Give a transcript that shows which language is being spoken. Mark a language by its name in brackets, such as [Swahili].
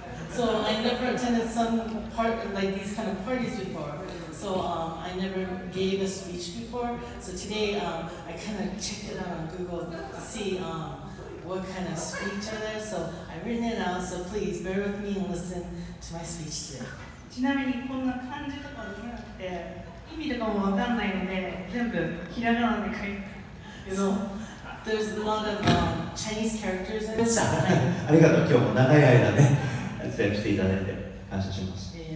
[English] So I never attended some part like these kind of parties before. So I never gave a speech before. So today I kind of checked it out on Google to see what kind of speech are there. So I've written it out. So please bear with me and listen to my speech today. [Japanese] ちなみにこんな感じとかどうやって。意味とかもわかんないので、全部ひらがなで書いて。 [English] You know, there's a lot of Chinese characters in this. [Japanese] ありがとう、今日も長い間ね、出演していただいて感謝します。